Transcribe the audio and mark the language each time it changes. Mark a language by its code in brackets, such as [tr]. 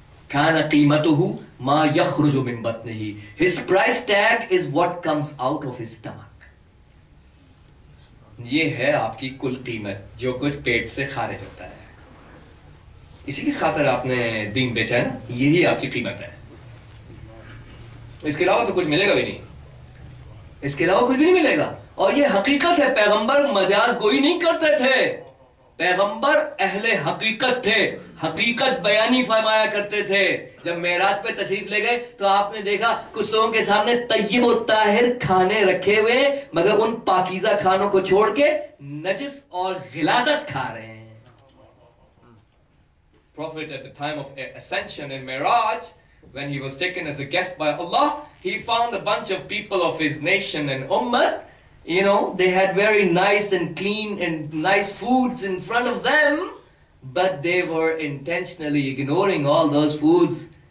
[ar] كان قيمته ما يخرج من بطنه. [en] His price tag is what comes out of his stomach. [ur] یہ ہے آپ کی کل قیمت جو کچھ پیٹ سے خارج ہوتا ہے. اسی کی خاطر آپ نے دین بیچا ہے نا, یہی آپ کی قیمت ہے. اس کے علاوہ تو کچھ ملے گا بھی نہیں. اس کے علاوہ کچھ بھی نہیں ملے گا. اور یہ حقیقت ہے, پیغمبر مجاز گوئی نہیں کرتے تھے. پیغمبر اہل حقیقت تھے, حقیقت بیانی فرمایا کرتے تھے. جب معراج پہ تشریف لے گئے تو آپ نے دیکھا کچھ لوگوں کے سامنے طیب و طاہر کھانے رکھے ہوئے, مگر ان پاکیزہ کھانوں کو چھوڑ کے نجس اور غلاظت کھا رہے ہیں. [en] Prophet at the time of ascension in Miraj, when he was taken as a guest by Allah, he found a bunch of people of his nation and ummah. You know, they had very nice and clean and nice foods in front of them, but they were intentionally ignoring all those foods.